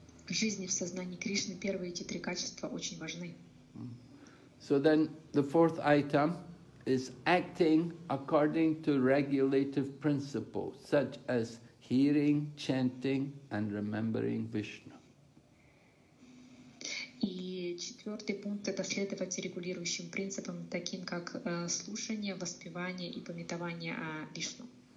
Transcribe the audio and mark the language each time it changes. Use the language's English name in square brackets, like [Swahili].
[Russian] В жизни, в сознании Кришны первые эти три качества очень важны. [English] So then the fourth item is acting according to regulative principles, such as hearing, chanting and remembering Vishnu. [Russian] И четвертый пункт — это следовать регулирующим принципам, таким как слушание, воспевание и памятование о Вишну.